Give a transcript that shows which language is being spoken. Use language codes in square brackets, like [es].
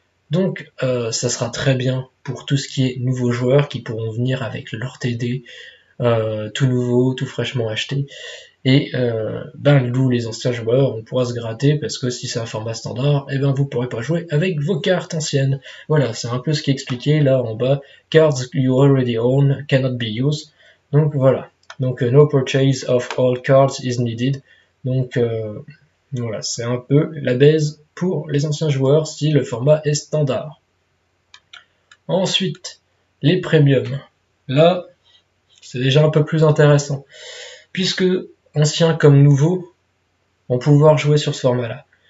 [fr] Donc ça sera très bien pour tout ce qui est nouveaux joueurs qui pourront venir avec leur TD tout nouveau, tout fraîchement acheté. Et ben nous les anciens joueurs, on pourra se gratter parce que si c'est un format standard, et ben vous pourrez pas jouer avec vos cartes anciennes. Voilà, c'est un peu ce qui est expliqué là en bas. [en] Cards you already own cannot be used. [fr] Donc voilà. [en] Donc, no purchase of all cards is needed. [fr] Donc, voilà, c'est un peu la base pour les anciens joueurs si le format est standard. Ensuite, les premiums. Là, c'est déjà un peu plus intéressant. Puisque anciens comme nouveaux vont pouvoir jouer sur ce format-là.